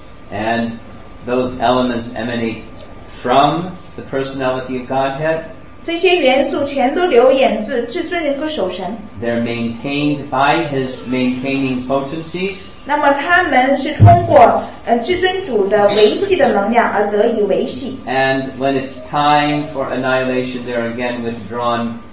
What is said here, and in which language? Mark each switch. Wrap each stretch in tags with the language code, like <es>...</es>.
<en>And those elements emanate from the personality of Godhead.</en> <zh>这些元素全都流演自至尊人格守神。</zh> <en>They're maintained by his maintaining potencies.</en> <zh>那么他们是通过至尊主的维系的能量而得以维系。</zh> <en>And when it's time for annihilation, they're again withdrawn.</en>